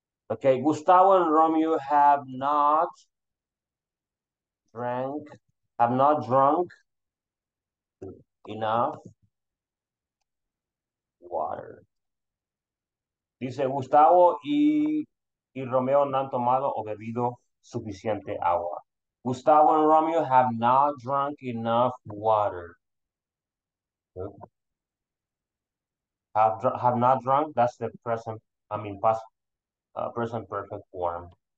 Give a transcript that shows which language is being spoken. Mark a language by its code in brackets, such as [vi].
[en] Okay. Gustavo and Romeo have not drunk enough water. [es] Dice Gustavo y Romeo no han tomado o bebido suficiente agua. [en] Gustavo and Romeo have not drunk enough water. Have not drunk, that's the present perfect form.